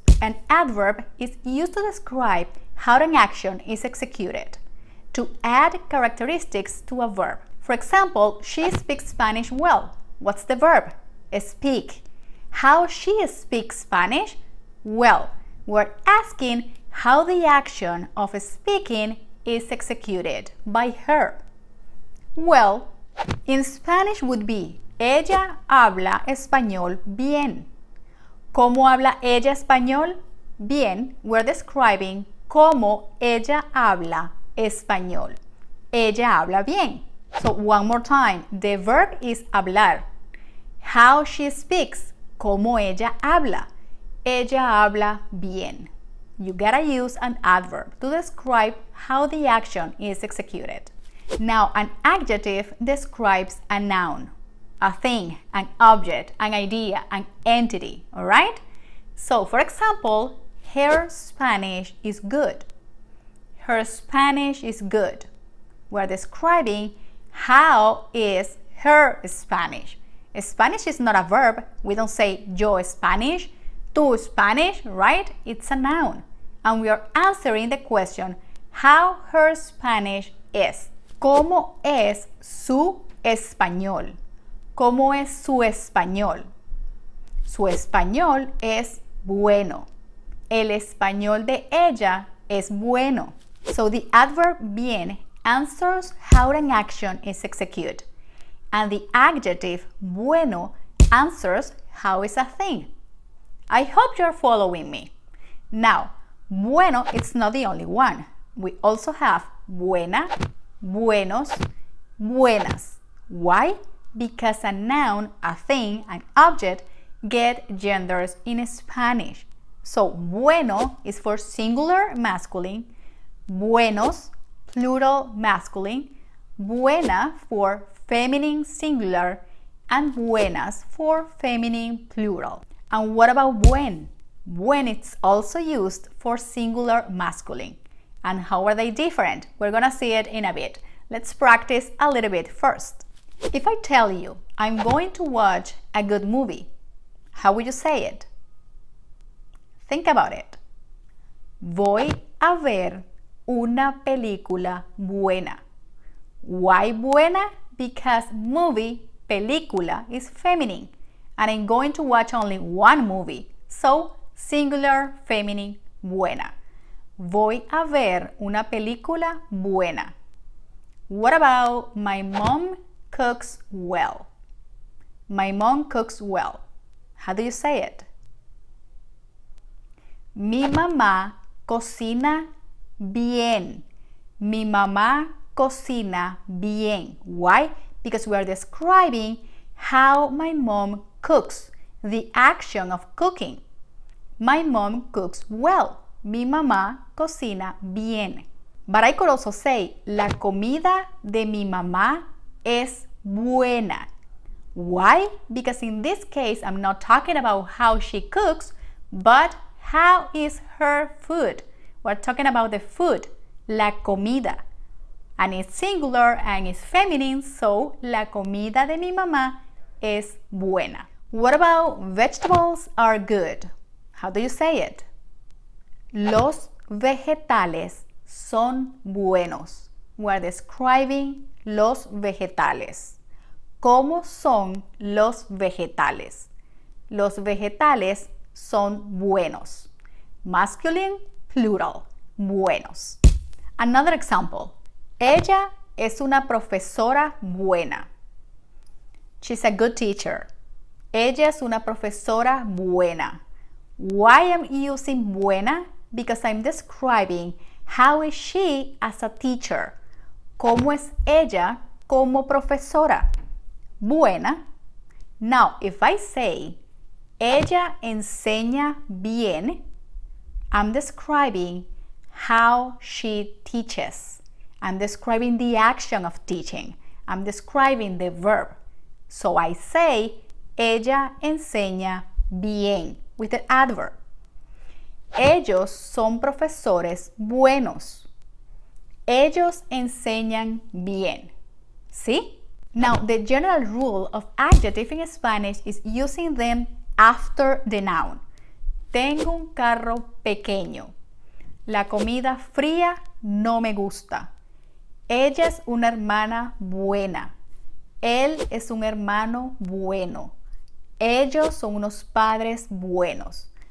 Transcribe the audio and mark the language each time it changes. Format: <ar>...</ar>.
<en>An adverb is used to describe how an action is executed, to add characteristics to a verb. For example, she speaks Spanish well. What's the verb? Speak. How she speaks Spanish? Well, we're asking how the action of speaking is executed by her. Well, in Spanish would be</en> <es>ella habla español bien. ¿Cómo habla ella español? Bien,</es> <en>we're describing</en> <es>cómo ella habla español. Ella habla bien.</es> <en>So one more time, the verb is hablar. How she speaks,</en> <es>cómo ella habla. Ella habla bien.</es> <en>You gotta use an adverb to describe how the action is executed. Now, an adjective describes a noun, a thing, an object, an idea, an entity, all right? So, for example, her Spanish is good. Her Spanish is good. We're describing how is her Spanish. Spanish is not a verb. We don't say yo Spanish, tú Spanish, right? It's a noun. And we are answering the question, how her Spanish is.</en> <es>¿Cómo es su español? ¿Cómo es su español? Su español es bueno. El español de ella es bueno.</es> <en>So the adverb bien answers how an action is executed. And the adjective bueno answers how is a thing. I hope you're following me. Now, bueno, it's not the only one. We also have buena, buenos, buenas. Why? Because a noun, a thing, an object, get genders in Spanish. So bueno is for singular masculine, buenos, plural masculine, buena for feminine singular, and buenas for feminine plural. And what about buen? When it's also used for singular masculine. And how are they different? We're gonna see it in a bit. Let's practice a little bit first. If I tell you, I'm going to watch a good movie, how would you say it? Think about it.</en> <es>Voy a ver una película buena.</es> <en>Why buena? Because movie, película, is feminine. And I'm going to watch only one movie. So, singular, feminine, buena.</en> <es>Voy a ver una película buena.</es> <en>What about my mom cooks well? My mom cooks well. How do you say it?</en> <es>Mi mamá cocina bien. Mi mamá cocina bien. Why?</es> <en>Because we are describing how my mom cooks, the action of cooking. My mom cooks well.</en> <es>Mi mamá cocina bien.</es> <en>But I could also say,</en> <es>la comida de mi mamá es buena.</es> <en>Why? Because in this case, I'm not talking about how she cooks, but how is her food? We're talking about the food,</en> <es>la comida. And it's singular and it's feminine, so la comida de mi mamá es buena.</es> <en>What about vegetables are good? How do you say it?</en> <es>Los vegetales son buenos.</es> <en>We're describing</en> <es>los vegetales. ¿Cómo son los vegetales? Los vegetales son buenos. Masculine, plural, buenos.</es> <en>Another example.</en> <es>Ella es una profesora buena.</es> <en>She's a good teacher.</en> <es>Ella es una profesora buena.</es> <en>Why am I using buena? Because I'm describing How is she as a teacher?</en> <es>¿Cómo es ella como profesora?</es> <en>Buena. Now, if I say,</en> <es>ella enseña bien,</es> <en>I'm describing how she teaches. I'm describing the action of teaching. I'm describing the verb. So I say,</en> <es>ella enseña bien,</es> <en>with an adverb.</en> <es>Ellos son profesores buenos. Ellos enseñan bien. ¿Sí?</es> <en>Now, the general rule of adjective in Spanish is using them after the noun.</en> <es>Tengo un carro pequeño. La comida fría no me gusta. Ella es una hermana buena. Él es un hermano bueno. Ellos son unos padres buenos.</es>